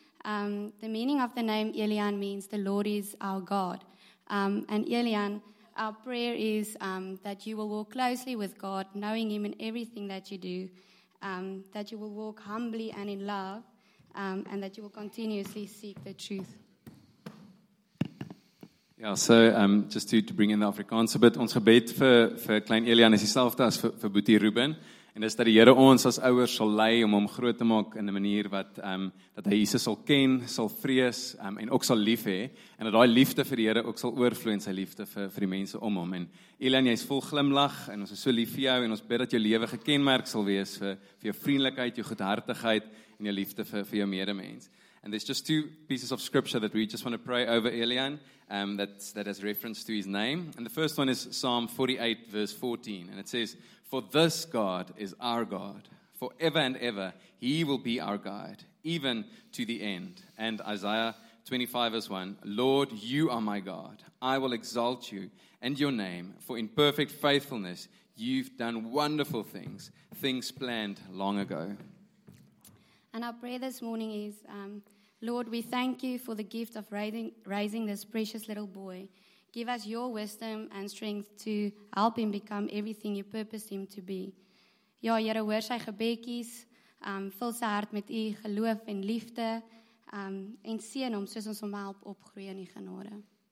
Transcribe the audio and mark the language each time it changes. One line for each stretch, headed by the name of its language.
English: The meaning of the name Elian means the Lord is our God. And Elian, our prayer is that you will walk closely with God, knowing him in everything that you do, that you will walk humbly and in love, and that you will continuously seek the truth.
Afrikaans: Ja,
English: so just to bring in the Afrikaans a bit,
Afrikaans: ons gebed vir klein Elian is dieselfde as vir boetie Ruben, en dis dat die Here ons as ouers sal lei om hom groot te maak in 'n manier wat dat hy Jesus sal ken, sal vrees en ook sal lief hê, en dat daai liefde vir die Here ook sal oorvloei in sy liefde vir die mense om hom. En Elian, jy is vol glimlag, en ons is so lief vir jou, en ons bid dat jou lewe gekenmerk sal wees vir jou vriendelikheid, jou goedhartigheid, en jou liefde vir jou medemens.
English: And there's just two pieces of scripture that we just want to pray over Elian that has reference to his name. And the first one is Psalm 48, verse 14. And it says, "For this God is our God. Forever and ever, he will be our guide, even to the end." And Isaiah 25, verse 1, "Lord, you are my God. I will exalt you and your name. For in perfect faithfulness, you've done wonderful things, things planned long ago." And our prayer this morning is, Lord, we thank you for the gift of raising this precious little boy. Give us your wisdom and strength to help him become everything you purposed him to be.
Afrikaans: Ja, Here, hoor sy gebedjies, vul sy hart met u geloof en liefde, en seën hom soos ons hom help opgroei in die genade.